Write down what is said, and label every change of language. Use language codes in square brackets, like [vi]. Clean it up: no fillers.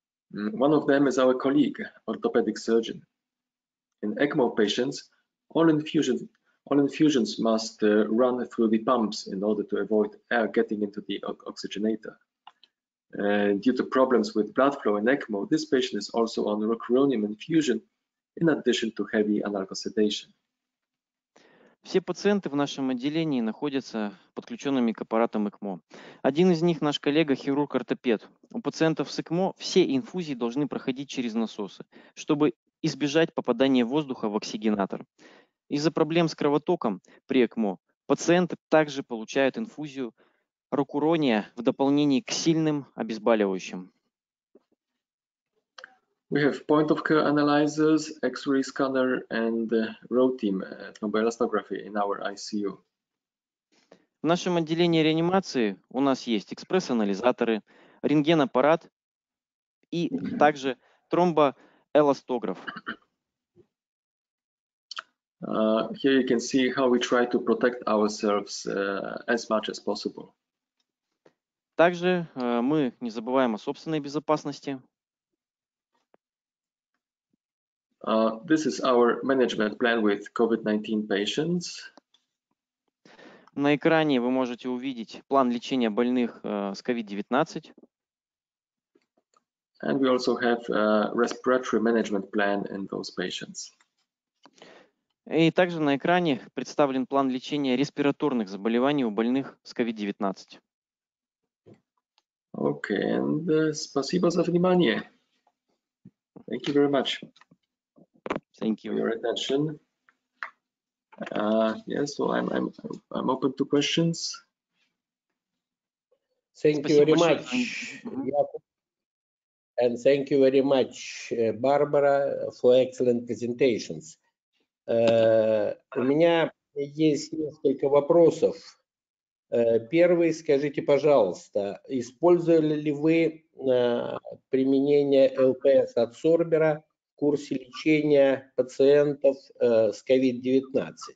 [en] One of them is our colleague, orthopedic surgeon. In ECMO patients, all infusions must run through the pumps in order to avoid air getting into the oxygenator. Due to problems with blood flow in ECMO, this patient is also on rocuronium infusion in addition to heavy analgesedation. [ru] Все пациенты в нашем отделении находятся подключенными к аппаратам ЭКМО. Один из них наш коллега, хирург-ортопед. У пациентов с ЭКМО все инфузии должны проходить через насосы, чтобы избежать попадания воздуха в оксигенатор. Из-за проблем с кровотоком при ЭКМО пациенты также получают инфузию рокурония в дополнение к сильным обезболивающим. [en] We have point of care analyzers, X-ray scanner and ROTIM thromboelastography in our ICU. [ru] В нашем отделении реанимации у нас есть экспресс-анализаторы, рентген-аппарат и также тромбоэластограф. [en] Here you can see how we try to protect ourselves as much as possible. [ru] Также мы не забываем о собственной безопасности. [en] This is our management plan with COVID-19 patients. [ru] На экране вы можете увидеть план лечения больных с COVID-19. [en] And we also have a respiratory management plan in those patients. [ru] И также на экране представлен план лечения респираторных заболеваний у больных с COVID-19. [en] Okay, and [ru] спасибо за внимание. [en] Thank you very much. Thank you for your attention. I'm open to questions. Thank you very much. And thank you very much, Barbara, for excellent presentations. [ru] У меня есть несколько вопросов. Первый, скажите, пожалуйста, использовали ли вы применение ЛПС-адсорбера курсе лечения пациентов с COVID-19?